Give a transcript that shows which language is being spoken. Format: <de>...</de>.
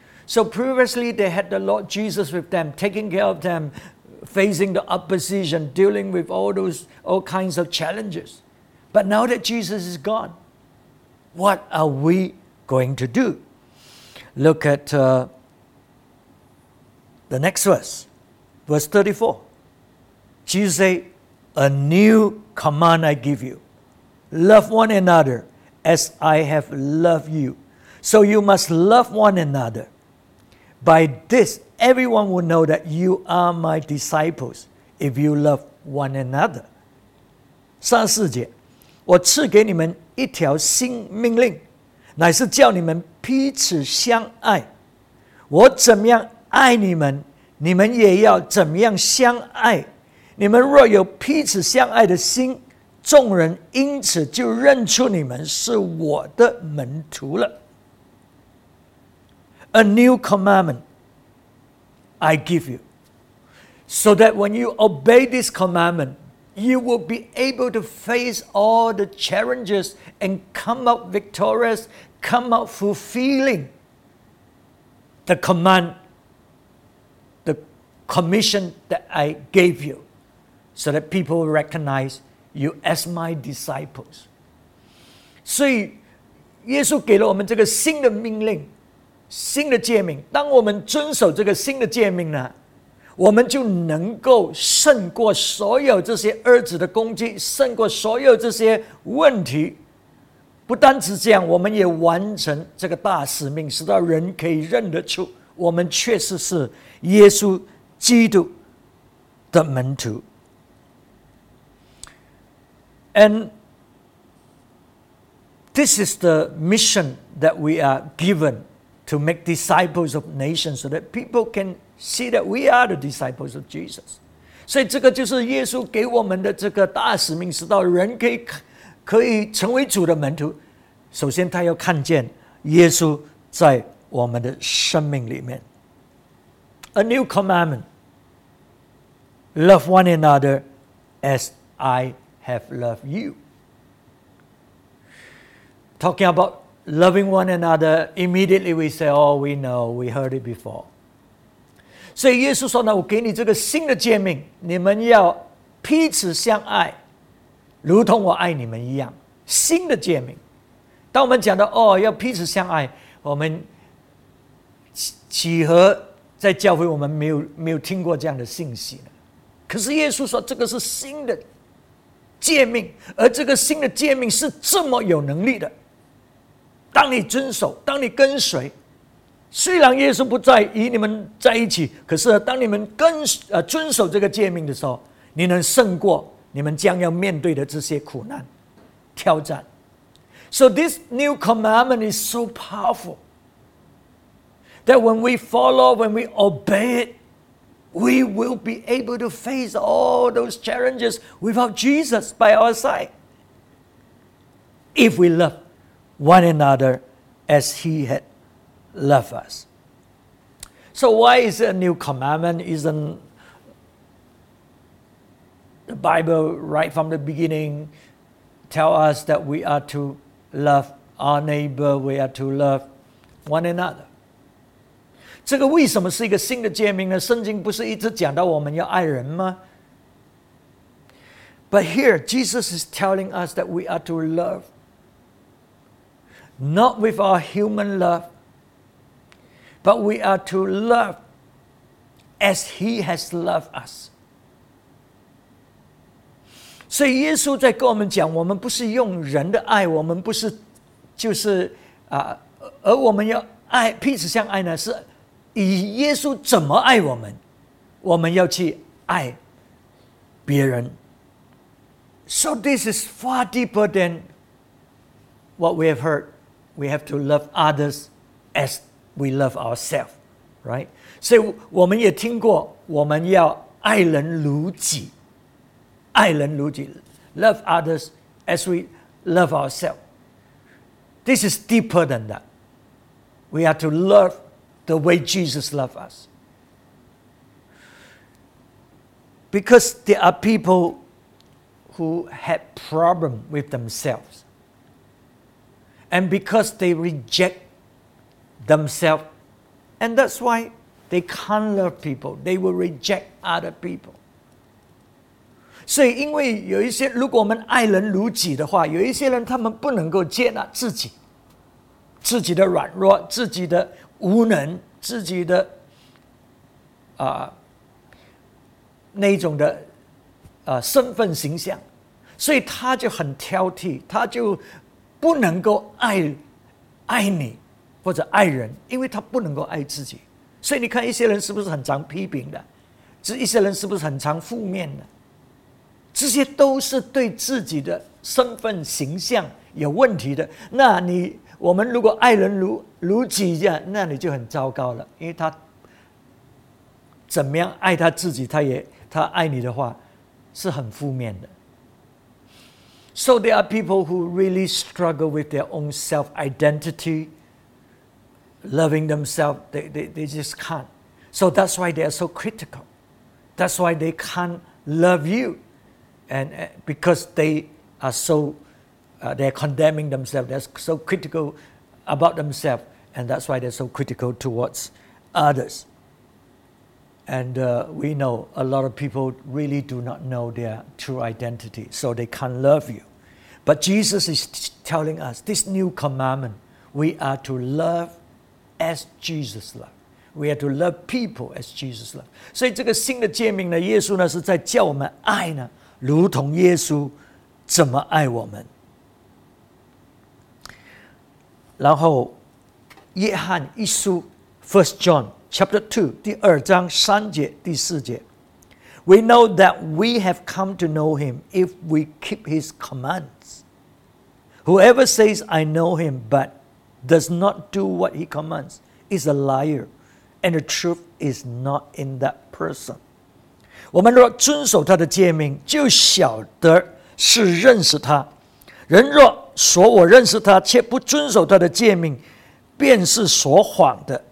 <en>So previously they had the Lord Jesus with them, taking care of them, facing the opposition, dealing with all kinds of challenges. But now that Jesus is gone, what are we going to do? Look at、the next verse, verse 34. Jesus said, a new command I give you. Love one another as I have loved you. So you must love one another. By this, everyone will know that you are my disciples if you love one another.</en> <zh>三四节，我赐给你们一条新命令，乃是叫你们彼此相爱。我怎样爱你们，你们也要怎样相爱。你们若有彼此相爱的心，众人因此就认出你们是我的门徒了。</zh> <en>A new commandment I give you, so that when you obey this commandment, you will be able to face all the challenges and come out victorious, come out fulfilling the command, the commission that I gave you, so that people recognize you as my disciples.</en> <zh>所以耶稣给了我们这个新的命令，新的诫命，当我们遵守这个新的诫命呢，我们就能够胜过所有这些儿子的攻击，胜过所有这些问题。不单只这样，我们也完成这个大使命，使到人可以认得出我们确实是耶稣基督的门徒。</zh> <en>And this is the mission that we are givenTo make disciples of nations so that people can see that we are the disciples of Jesus.</en> <zh>所以这个就是耶稣给我们的这个大使命，使到人可以成为主的门徒。首先他要看见耶稣在我们的生命里面。</zh> <en>A new commandment. Love one another as I have loved you. Talking aboutloving one another, immediately we say, oh, we know, we heard it before.</en> <zh>所以耶稣说呢，我给你这个新的诫命，你们要彼此相爱，如同我爱你们一样。新的诫命，当我们讲到，哦，要彼此相爱，我们几何在教会我们没有听过这样的信息呢？可是耶稣说，这个是新的诫命，而这个新的诫命是这么有能力的。当你遵守，当你跟随，虽然耶稣不在与你们在一起，可是当你们遵守这个诫命的时候，你能胜过你们将要面对的这些苦难挑战。</zh> <en>So this new commandment is so powerful that when we follow, when we obey it, we will be able to face all those challenges without Jesus by our side. If we loveone another as he had loved us. So why is it a new commandment? Isn't the Bible right from the beginning tell us that we are to love our neighbor, we are to love one another?</en> <zh>这个为什么是一个新的诫命呢？圣经不是一直讲到我们要爱人吗？</zh> <en>But here, Jesus is telling us that we are to love. Not with our human love, but we are to love as he has loved us.</en> <zh>所以耶稣在跟我们讲，我们不是用人的爱，我们不是就是啊，而我们要爱彼此相爱呢，是以耶稣怎么爱我们，我们要去爱别人。</zh> <en>So this is far deeper than what we have heard. We have to love others as we love ourselves, right?</en> <zh>所以我们也听过，我们要爱人如己，爱人如己 ，</zh> <en>love others as we love ourselves. This is deeper than that. We are to love the way Jesus loved us. Because there are people who had problem with themselves. And because they reject themselves, and that's why they can't love people, they will reject other people.</en> <zh>所以因为有一些，如果我们爱人如己的话，有一些人他们不能够接纳自己，自己的软弱，自己的无能，自己的那种的身份形象，所以他就很挑剔，他就不能够爱你或者爱人，因为他不能够爱自己。所以你看一些人是不是很常批评的，这一些人是不是很常负面的，这些都是对自己的身份形象有问题的。那你我们如果爱人如己，那你就很糟糕了，因为他怎么样爱他自己，他爱你的话是很负面的。</zh> <en>So there are people who really struggle with their own self-identity, loving themselves. They just can't. So that's why they are so critical. That's why they can't love you. And because they are so, they're condemning themselves. They're so critical about themselves. And that's why they're so critical towards others. And we know a lot of people really do not know their true identity, so they can't love you. But Jesus is telling us this new commandment, we are to love as Jesus loved. We are to love people as Jesus loved.</en> <zh>所以这个新的诫命呢，耶稣呢是在叫我们爱呢，如同耶稣怎么爱我们。然后约翰一书</zh> <en>First John Chapter 2,</en> <zh>第二章三节第四节</zh> <en>We know that we have come to know him if we keep his commands. Whoever says I know him but does not do what he commands is a liar, and the truth is not in that person.</en> <zh>我们若遵守他的诫命，就晓得是认识他。人若说我认识他，却不遵守他的诫命，便是说谎的。</zh>